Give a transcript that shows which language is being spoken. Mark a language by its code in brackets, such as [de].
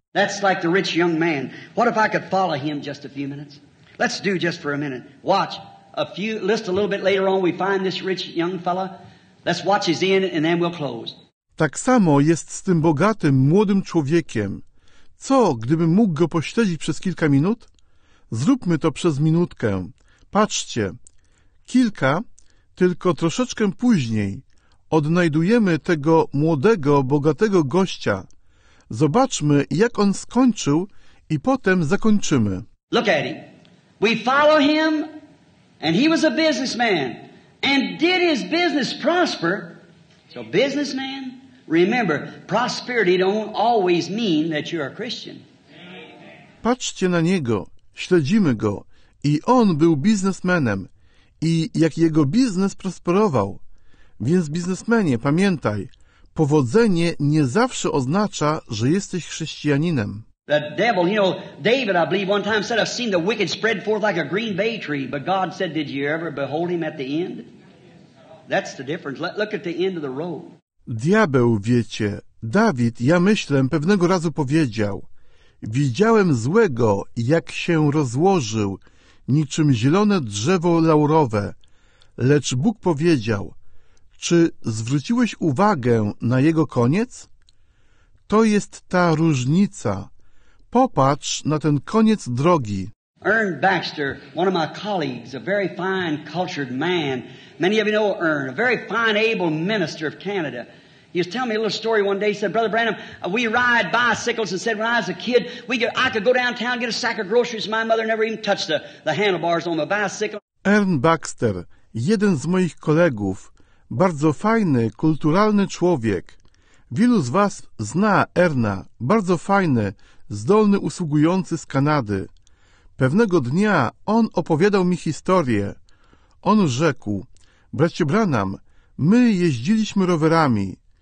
[en] That's like the rich young man. What if I could follow him just a few minutes? Let's do just for a minute. Watch. List a little bit later on we find this rich young fella. Let's watch his end and then we'll close. [pl] Tak samo jest z tym bogatym, młodym człowiekiem. Co, gdybym mógł go pośledzić przez kilka minut? Zróbmy to przez minutkę. Patrzcie. kilka, tylko troszeczkę później odnajdujemy tego młodego, bogatego gościa. Zobaczmy, jak on skończył i potem zakończymy. [en] Look at him. We follow him and he was a businessman and did his business prosper. So businessman, remember, prosperity don't always mean that you are a Christian. [pl] Patrzcie na niego, śledzimy go i on był biznesmenem i jak jego biznes prosperował. Więc biznesmenie, pamiętaj, powodzenie nie zawsze oznacza, że jesteś chrześcijaninem. [en] The devil, you know, David, I believe, one time said, I've seen the wicked spread forth like a green bay tree. But God said, did you ever behold him at the end? That's the difference. Look at the end of the road. [pl] Diabeł, wiecie, Dawid, ja myślę, pewnego razu powiedział, widziałem złego, jak się rozłożył, niczym zielone drzewo laurowe. Lecz Bóg powiedział, czy zwróciłeś uwagę na jego koniec? To jest ta różnica. Popatrz na ten koniec drogi. [en] Ern Baxter, one of my colleagues, a very fine, cultured man. Many of you know Ern, a very fine, able minister of Canada. He was telling me a little story one day. He said, Brother Branham, we ride bicycles. And said, when I was a kid, I could go downtown, get a sack of groceries. My mother never even touched the handlebars on my bicycle. [pl] Ern Baxter, jeden z moich kolegów, bardzo fajny, kulturalny człowiek. Wielu z was zna Erna, bardzo fajny, zdolny usługujący z Kanady. Pewnego dnia on opowiadał mi historię. On rzekł, bracie Branham, my jeździliśmy rowerami.